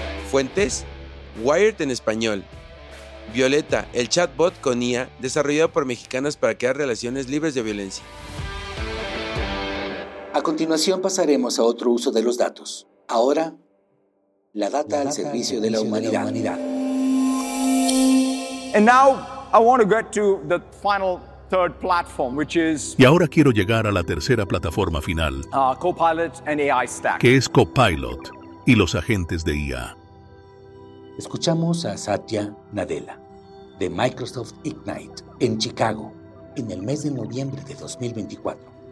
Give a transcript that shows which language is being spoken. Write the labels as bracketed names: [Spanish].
[Spanish] Fuentes: Wired en español. Violeta, el chatbot con IA desarrollado por mexicanas para crear relaciones libres de violencia. A continuación pasaremos a otro uso de los datos. Ahora, la data al servicio de la humanidad. [English] And now I want to get to the final third platform, which is. [Spanish] Y ahora quiero llegar a la tercera plataforma final. [English] Copilot and AI stack. [Spanish] Que es Copilot y los agentes de IA. Escuchamos a Satya Nadella, de Microsoft Ignite, en Chicago, en el mes de noviembre de 2024.